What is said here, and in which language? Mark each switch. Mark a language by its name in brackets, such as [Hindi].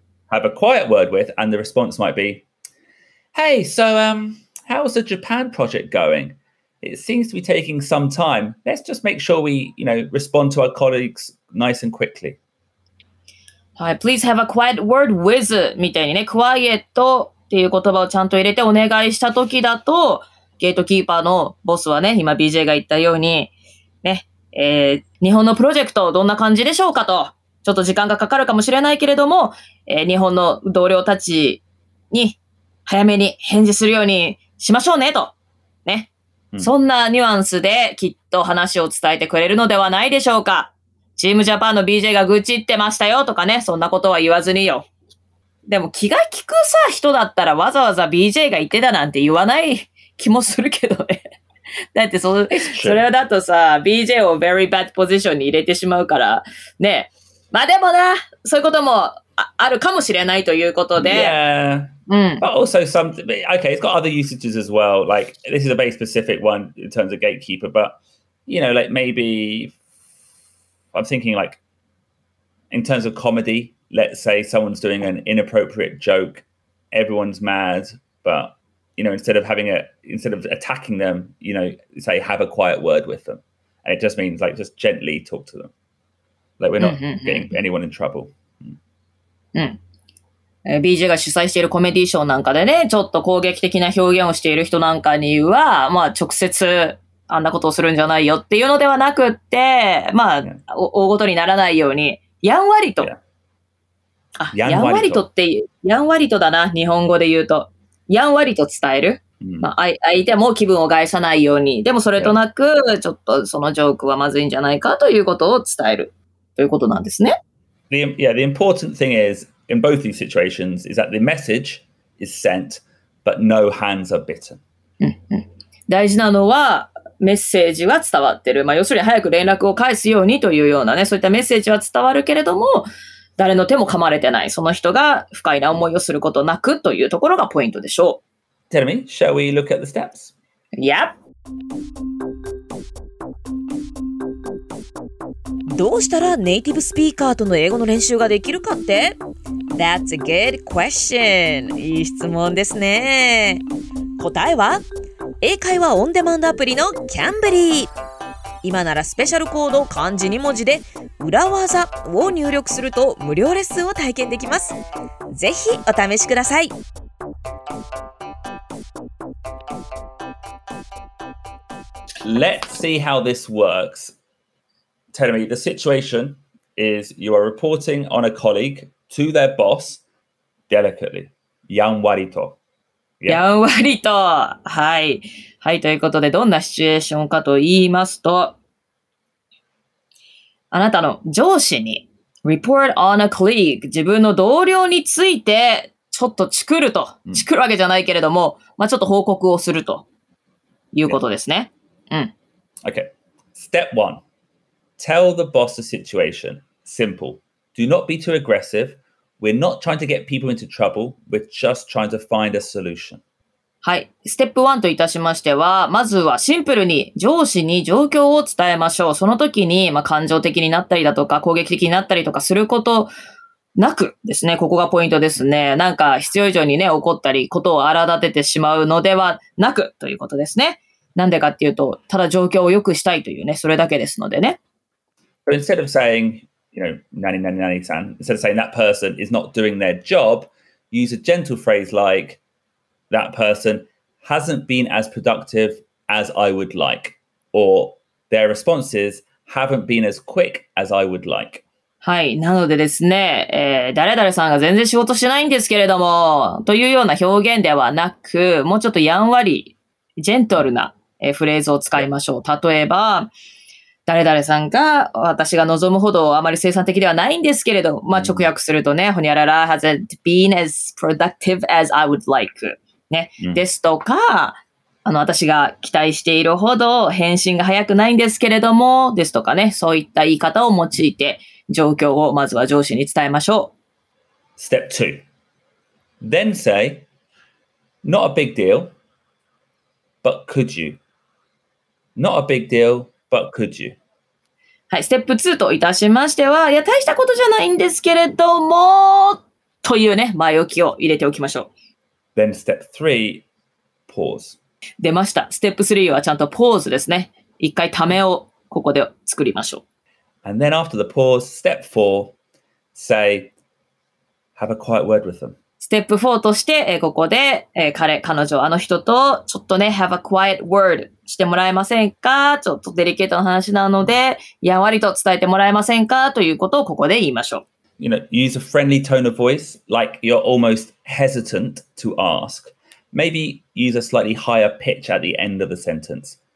[English] have a quiet word with and the response might be hey so how's the Japan project going it seems to be taking some time let's just make sure we you know respond to our colleagues nice and quickly [Japanese] はい、 [English] Please have a quiet word with [Japanese] みたいにね、quiet っていう言葉をちゃんと入れてお願いした時だと、ゲートキーパーのボスはね、今 BJ が言ったように、ね、日本のプロジェクトどんな感じでしょうかと、ちょっと時間がかかるかもしれないけれども、日本の同僚たちに早めに返事するようにしましょうねと、ね、うん、そんなニュアンスできっと話を伝えてくれるのではないでしょうか。チームジャパンの BJ が愚痴ってましたよとかね、そんなことは言わずによ。でも気が利くさ人だったらわざわざ BJ が言ってたなんて言わない気もするけどね。だってそれだとさ、BJ を [English] very bad position [Japanese] に入れてしまうから、ね。まあでもな、そういうことも あるかもしれないということで。 [English] Yeah. うん。 But also something, okay, it's got other usages as well. Like, this is a very specific one in terms of gatekeeper, but, you know, like maybe... I'm thinking like, in terms of comedy, let's say someone's doing an inappropriate joke, everyone's mad, but, you know, instead of attacking them, you know, say, have a quiet word with them. And it just means like, just gently talk to them. Like, we're not getting anyone in trouble. [Japanese] BJ が主催しているコメディーショーなんかでね、ちょっと攻撃的な表現をしている人なんかには、まあ、直接、あんなことをするんじゃないよっていうのではなくって、まあ、大ごとにならないように、やんわりと。 [English] Yeah. [Japanese] やんわりとって、やんわりとだな、日本語で言うと。やんわりと伝える。まあ、相手も気分を害さないように。でもそれとなく、ちょっとそのジョークはまずいんじゃないかということを伝える。ということなんですね。 [English] The important thing is, in both these situations, is that the message is sent, but no hands are bitten. [Japanese] 大事なのは、メッセージは伝わってる。まあ、要するに早く連絡を返すようにというようなね、そういったメッセージは伝わるけれども、誰の手も噛まれてない。その人が不快な思いをすることなくというところがポイントでしょう。 [English] Tell me, shall we look at the steps? Yep. [Japanese] どうしたらネイティブスピーカーとの英語の練習ができるかって? [English] That's a good question. [Japanese] いい質問ですね。答えは? 英会話オンデマンドアプリのキャンブリー。今ならスペシャルコード漢字2文字で裏技を入力すると無料レッスンを体験できます。ぜひお試しください。 [English] Let's see how this works. Tell me, the situation is you are reporting on a colleague to their boss delicately. [Japanese] やんわりと。やんわりと、はい。はい、ということで、どんなシチュエーションかと言いますと、あなたの上司に、 [English] report on a colleague、 [Japanese] 自分の同僚について、ちょっとチクると、チクるわけじゃないけれども、まあ、ちょっと報告をするということですね。 [English] Yeah. Okay. Step one. Tell the boss the situation. Simple. Do not be too aggressive. We're not trying to get people into trouble. We're just trying to find a solution. [Japanese] はい。ステップ1といたしましては、まずはシンプルに上司に状況を伝えましょう。その時に、まあ、感情的になったりだとか、攻撃的になったりとかすることなくですね、ここがポイントですね。なんか必要以上にね、怒ったり、ことを荒立ててしまうのではなくということですね。なんでかっていうと、ただ状況を良くしたいというね、それだけですのでね。 [English] But instead of saying, you know, [Japanese] 何々さん, [English] instead of saying that person is not doing their job, use a gentle phrase like, that person hasn't been as productive as I would like, or their responses haven't been as quick as I would like. [Japanese] はい。なのでですね、誰々さんが全然仕事しないんですけれども、というような表現ではなく、もうちょっとやんわり、ジェントルな、フレーズを使いましょう。例えば、誰々さんが私が望むほどあまり生産的ではないんですけれども、まあ、直訳するとね、ほにゃらら [English] hasn't been as productive as I would like. [Japanese] ね。ですとか、私が期待しているほど返信が早くないんですけれども、ですとかね、そういった言い方を用いて、状況をまずは上司に伝えましょう。 [English] Step 2. Then say, not a big deal, but could you? Not a big deal, but could you? [Japanese] はい、ステップ2といたしましては、いや、大したことじゃないんですけれども、というね、前置きを入れておきましょう。 [English] Then step 3, pause. [Japanese] 出ました。ステップ3はちゃんとポーズですね。一回ためをここで作りましょう。 [English] And then after the pause, step four, say, have a quiet word with them. Step four [Japanese] として、ここで、彼、彼女、あの人と、ちょっとね、 [English] have a quiet word [Japanese] してもらえませんか？ちょっとデリケートな話なので、やわりと伝えてもらえませんか？ということをここで言いましょう。 [English] You know, use a friendly tone of voice, like you're almost hesitant to ask. Maybe use a slightly higher pitch at the end of the sentence.